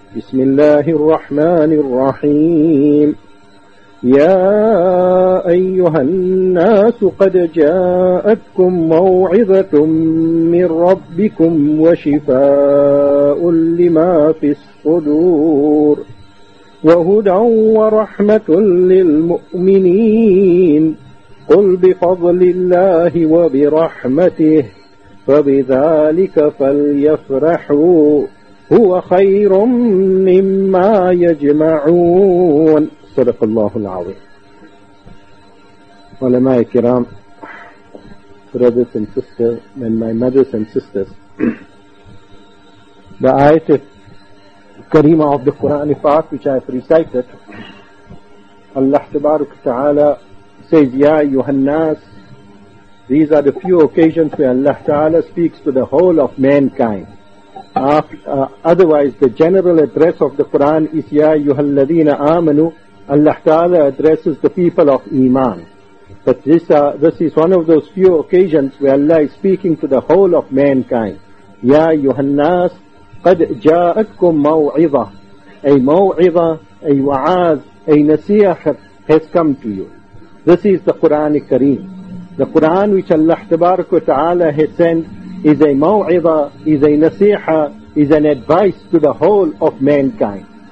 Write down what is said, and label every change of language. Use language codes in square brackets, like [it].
[ar] بسم الله الرحمن الرحيم. يا أيها الناس قد جاءتكم موعظة من ربكم وشفاء لما في الصدور وهدى ورحمة للمؤمنين. قل بفضل الله وبرحمته فبذلك فليفرحوا هو خير مما يجمعون. صدق الله العظيم. علماء الكرام، [en] brothers and sisters, and my mothers and sisters, the ayat kareema of the Quran Pak which I have recited, Allah tabaraka ta'ala says, [ar] Ya Yuhannas, [en] these are the few occasions where Allah ta'ala speaks to the whole of mankind. Otherwise, the general address of the Quran is [ar] Ya Yuhalladina Amanu. [en] Allah Ta'ala addresses the people of Iman. But this is one of those few occasions where Allah is speaking to the whole of mankind. [ar] Ya Yuhannas, قَدْ جَاءَتْكُمْ مَوْعِظَةً. [en] A maw'idha, a wa'az, a nasiyah has come to you. This is the Qur'an Kareem. The Qur'an which Allah Ta'ala has sent is a maw'idha, is a nasiha, is an advice to the whole of mankind.